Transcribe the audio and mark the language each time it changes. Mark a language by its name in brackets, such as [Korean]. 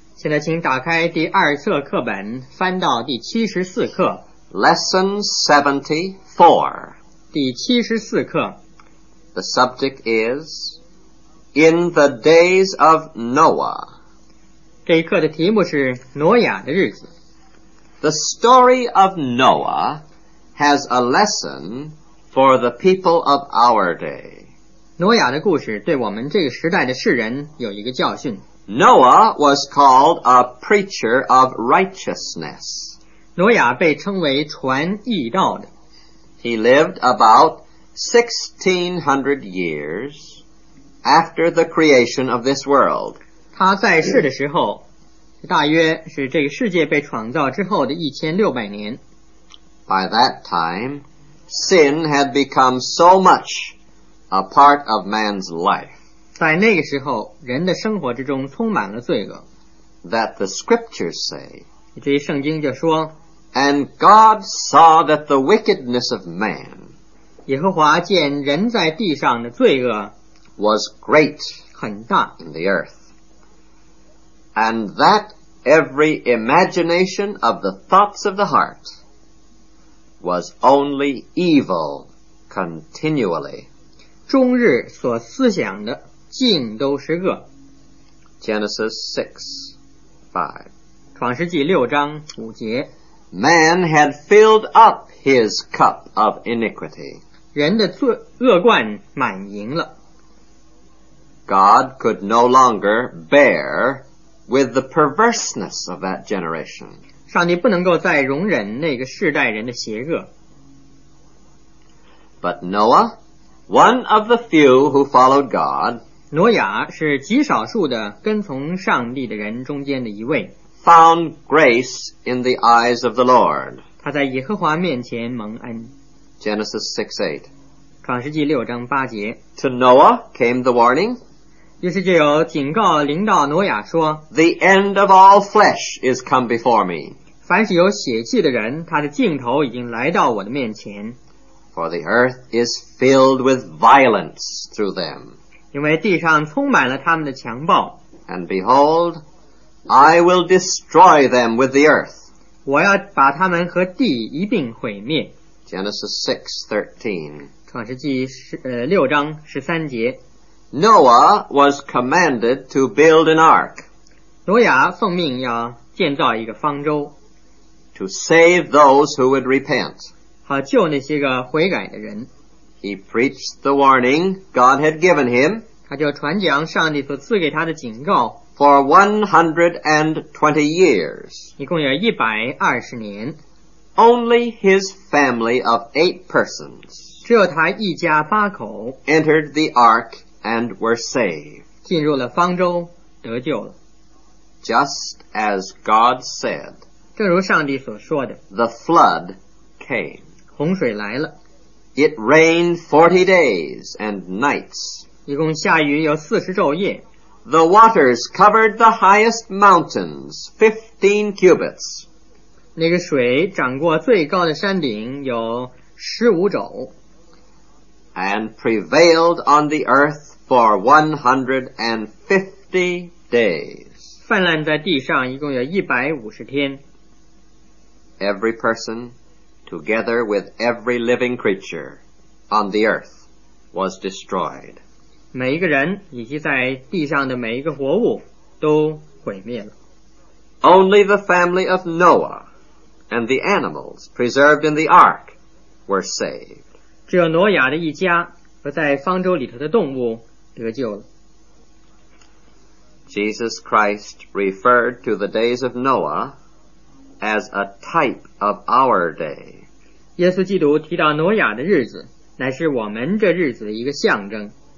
[Chinese] 现在请打开第二册课本，翻到第74课。 [English] Lesson 74. [Chinese] 第74课。 [English] The subject is, In the Days of Noah. [Chinese] 这一课的题目是挪亚的日子。 [English] The story of Noah has a lesson for the people of our day. [Chinese] 挪亚的故事对我们这个时代的世人有一个教训。 [English] Noah was called a preacher of righteousness. [Chinese] 挪亚被称为传义道的。 [English] He lived about 1600 years after the creation of this world. [Chinese] 他在世的时候大约是这个世界被创造之后的1600年。 [English] By that time, sin had become so much a part of man's life. [Chinese] 在那个时候，人的生活之中充满了罪恶。 [English] That the scriptures say, [Chinese] 这些圣经就说， [English] And God saw that the wickedness of man, [Chinese] 耶和华见人在地上的罪恶， [English] was great, [Chinese] 很大， [English] in the earth. And that every imagination of the thoughts of the heart was only evil continually. [Chinese] 终日所思想的尽都是恶。 [English] Genesis 6:5. [Chinese] 创世纪六章五节。 [English] Man had filled up his cup of iniquity. [Chinese] 人的恶贯满盈了。 [English] God could no longer bear with the perverseness of that generation. [Chinese] 上帝不能够再容忍那个世代人的邪恶。 [English] But Noah, one of the few who followed God, [Chinese] 挪亚是极少数的跟从上帝的人中间的一位。 [English] Found grace in the eyes of the Lord. [Chinese] 他在耶和华面前蒙恩。 [English] Genesis 6:8. [Chinese] 创世纪六章八节。 [English] To Noah came the warning, [Chinese] 于是就有警告临到挪亚说， [English] The end of all flesh is come before me. [Chinese] 凡是有血气的人，他的尽头已经来到我的面前。 [English] For the earth is filled with violence through them. [Chinese] 因为地上充满了他们的强暴。 [English] And behold, I will destroy them with the earth. [Chinese] 我要把他们和地一并毁灭。 [English] Genesis 6:13. [Chinese] 创世纪六章十三节。 [English] Noah was commanded to build an ark. [Chinese] 挪亚奉命要建造一个方舟。 [English] To save those who would repent. [Chinese] 好救那些个悔改的人。 [English] He preached the warning God had given him. [Chinese] 他就传讲上帝所赐给他的警告。 [English] For 120 years. [Chinese] 一共有120年。 [English] Only his family of 8 persons. [Chinese] 只有他一家八口。 [English] Entered the ark. And were saved. [Chinese] 进入了方舟，得救了。 [English] Just as God said. [Chinese] 正如上帝所说的。 [English] The flood came. [Chinese] 洪水来了。 [English] It rained 40 days and nights. [Chinese] 一共下雨有四十昼夜。 [English] The waters covered the highest mountains, 15 cubits. [Chinese] 那个水涨过最高的山顶有十五昼。 [English] And prevailed on the earth for 150 days. [Chinese] 泛滥在地上一共有一百五十天。 [English] Every person, together with every living creature on the earth, was destroyed. [Chinese] 每一个人以及在地上的每一个活物都毁灭了。 [English] Only the family of Noah and the animals preserved in the ark were saved. [Chinese] 只有挪亚的一家和在方舟里头的动物得救了。 [English] Jesus Christ referred to the days of Noah as a type of our day. [Chinese] 耶稣基督提到挪亚的日子乃是我们这日子的一个象征。